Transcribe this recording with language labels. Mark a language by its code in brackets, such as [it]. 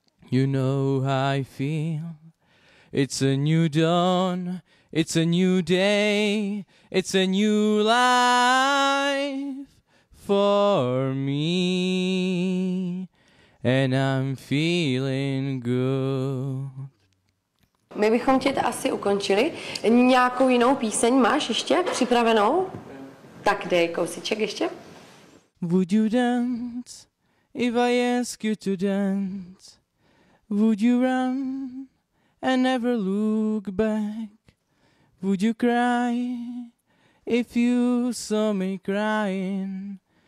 [en] You know I feel it's a new dawn, it's a new day, it's a new life for me, and I'm feeling good. [cs] My bychom tě asi ukončili. Nějakou jinou píseň máš ještě připravenou? Tak dej kousiček ještě. [en] Would you dance if I ask you to dance? Would you run and never look back? Would you cry if you saw me crying?